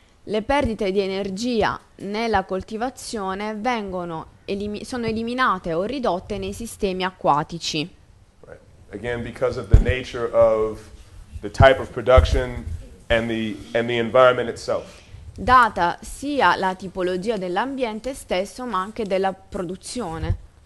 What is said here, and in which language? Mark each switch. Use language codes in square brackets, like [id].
[it] Le perdite di energia nella coltivazione sono eliminate o ridotte nei sistemi acquatici. [en] Again, because of the nature of the type of production and the environment itself. [it] Data sia la tipologia dell'ambiente stesso, ma anche della produzione.